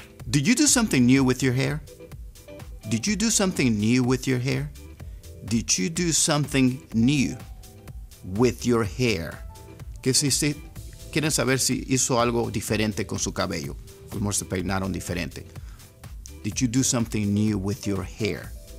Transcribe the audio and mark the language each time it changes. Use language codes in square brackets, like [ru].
[en] Did you do something new with your hair? Did you do something new with your hair? Did you do something new with your hair? [es] ¿Qué si quieren saber si hizo algo diferente con su cabello? A lo mejor se peinaron diferente. [en] Did you do something new with your hair?